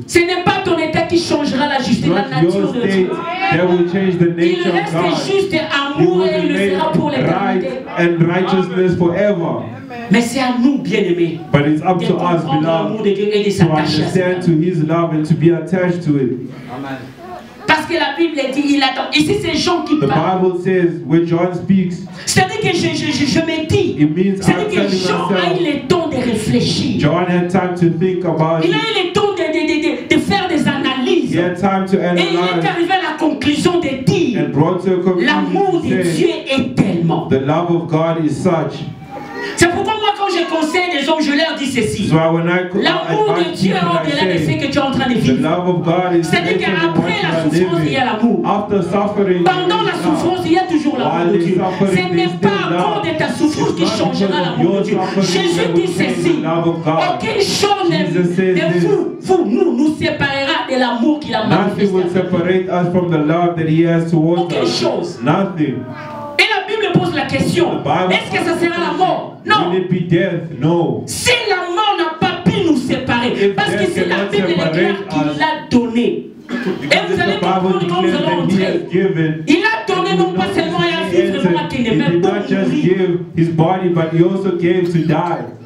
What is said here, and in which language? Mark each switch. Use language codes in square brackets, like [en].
[fr] Ce n'est pas ton état qui changera la justice, la nature de Dieu. [en] That will change the nature of God. [fr] Il reste juste et amour et il le sera pour l'éternité. [en] And righteousness forever. [fr] Mais c'est à nous, bien-aimés. [en] But it's up to us, beloved, to understand to his love and to be attached to it. Amen. [fr] Parce que la Bible dit, il attend. Et si c'est Jean qui parle. [en] The Bible says, when John speaks. [fr] C'est-à-dire que je me dis. [en] It means [fr] c'est-à-dire que Jean [en] myself, [fr] a eu le temps de réfléchir. [en] John had time to think about [fr] il a eu le temps de faire des analyses. [en] He had time to analyze. [fr] Et il est arrivé à la conclusion de dire. [en] And brought to a conclusion. [fr] L'amour de Dieu est tellement. [en] The love of God is such. [fr] C'est pourquoi moi quand je conseille les hommes, je leur dis ceci. [en] So [fr] l'amour de Dieu est au-delà de ce que tu es en train de vivre. C'est-à-dire qu'après la souffrance, il y a l'amour. [en] After suffering, [fr] pendant la souffrance, il y a toujours l'amour de Dieu. Ce n'est pas à cause de ta souffrance qui changera l'amour de Dieu. Jésus dit ceci. Aucune chose de nous nous séparera de l'amour qu'il a manifesté. [en] Nothing will separate us from the love that he has towards us. [fr] Aucune chose. [en] Nothing. [fr] Et la Bible pose la question, est-ce que ça sera la mort? Non. [en] Will it be death? No. [fr] Si la mort n'a pas pu nous séparer, [en] if [fr] parce que c'est la Bible déclare qu'il l'a donné. Et vous allez comprendre quand nous allons entrer. Il a donné non pas seulement à vivre, mais qu'il n'est même pas pour mourir. [en] His body, but he also gave to die.